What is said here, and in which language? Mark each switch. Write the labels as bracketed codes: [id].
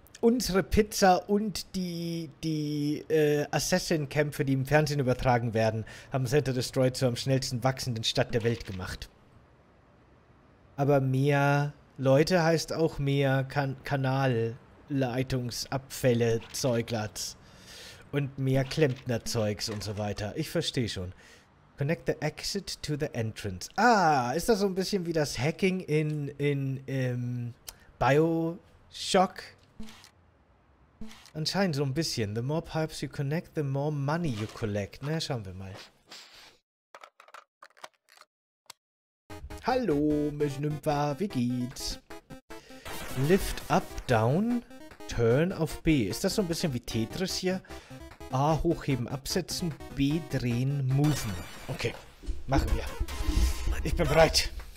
[de] Unsere Pizza und die Assassin-Kämpfe, die im Fernsehen übertragen werden, haben Center Destroy zur am schnellsten wachsenden Stadt der Welt gemacht. Aber mehr Leute heißt auch mehr Kanalleitungsabfälle, Zeuglats. Und mehr Klempnerzeugs und so weiter. Ich verstehe schon. [en] Connect the exit to the entrance. [de] Ah, ist das so ein bisschen wie das Hacking in Bioshock? Anscheinend so ein bisschen. [en] The more pipes you connect, the more money you collect. [de] Na, schauen wir mal. Hallo, Miss Nympha, wie geht's? [en] Lift up, down, turn [de] auf B. Ist das so ein bisschen wie Tetris hier? A hochheben, absetzen, B drehen, moven. Okay, machen wir. Ich bin bereit.